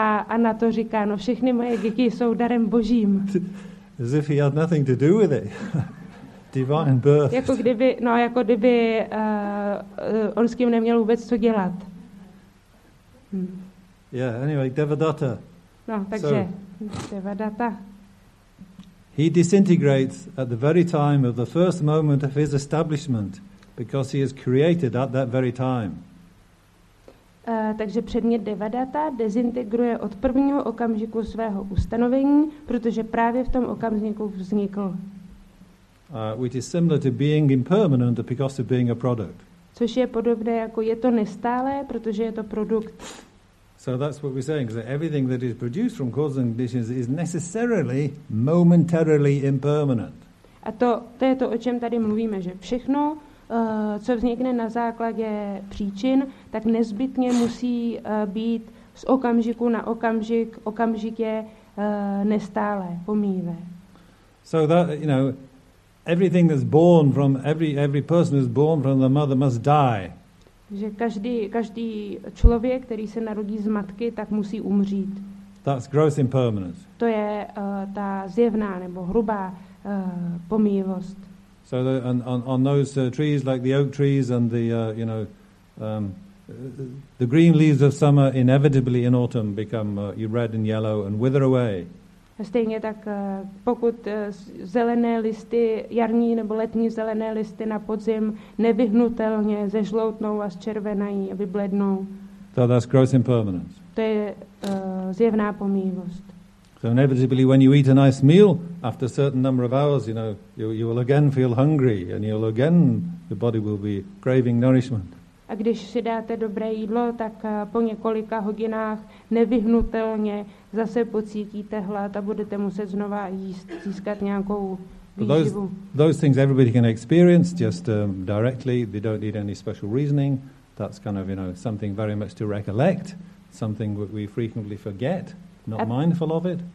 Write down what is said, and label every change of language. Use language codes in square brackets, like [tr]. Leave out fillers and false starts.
[cs] A na to říká, no všechny moje děti jsou darem Božím. [en] As if he had nothing to do with it. Divine birth. [cs] Jako kdyby on s tím neměl vůbec co dělat. [en] Yeah, anyway, Devadatta. [cs] No, takže Devadatta. [en] He disintegrates at the very time of the first moment of his establishment because he is created at that very time. [cs] Takže předmět Devadatta dezintegruje od prvního okamžiku svého ustanovení, protože právě v tom okamžiku vznikl. [en] Which is similar to being impermanent because of being a product. [cs] Což je podobné jako je to nestálé, protože je to produkt. [en] So that's what we're saying, that everything that is produced from causes and conditions is necessarily momentarily impermanent. [cs] A to je to, o čem tady mluvíme, že všechno, co vznikne na základě příčin, tak nezbytně musí být z okamžiku na okamžik, okamžitě nestálé, pomíjivé. [en] So that, you know, everything that's born from every person who's born from the mother must die. [cs] Že každý člověk, který se narodí z matky, tak musí umřít. [en] That's gross impermanence. [cs] To je ta zjevná nebo hrubá pomíjivost. [en] So on those trees like the oak trees and the green leaves of summer inevitably in autumn become red and yellow and wither away. [cs] Stejně tak, pokud zelené listy, jarní nebo letní zelené listy na podzim nevyhnutelně zežloutnou a zčervenají a vyblednou. [en] So that's gross impermanence. [cs] To je zjevná pomíjivost. [en] So inevitably when you eat a nice meal, after a certain number of hours, you know, you will again feel hungry and you'll again, the body will be craving nourishment. [cs] A když si dáte dobré jídlo, tak po několika hodinách nevyhnutelně zase pocítíte hlad a budete muset znova jíst, získat nějakou výživu. [en] Those things everybody can experience just directly. They don't need any special reasoning. That's kind of, you know, something very much to recollect. Something we frequently forget, not mindful of it.